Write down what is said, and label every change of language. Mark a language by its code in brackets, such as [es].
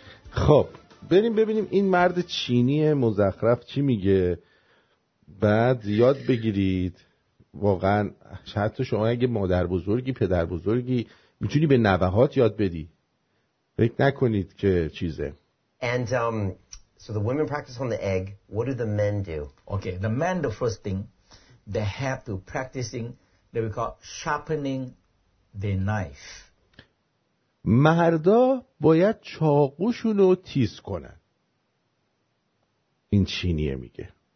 [fa] خب بریم ببینیم این مرد چینی مزخرف چی میگه، بعد یاد بگیرید. واقعا حتی شما اگه مادر بزرگی پدر بزرگی میتونی به نوهات یاد بدی، فکر نکنید که چیزه. [en] And so the women practice on the egg. What do the men do? Okay, the men, the first thing they have to practicing that we call sharpening the knife. [fa] مردا باید چاقوشون رو تیز کنن. این چینیه میگه.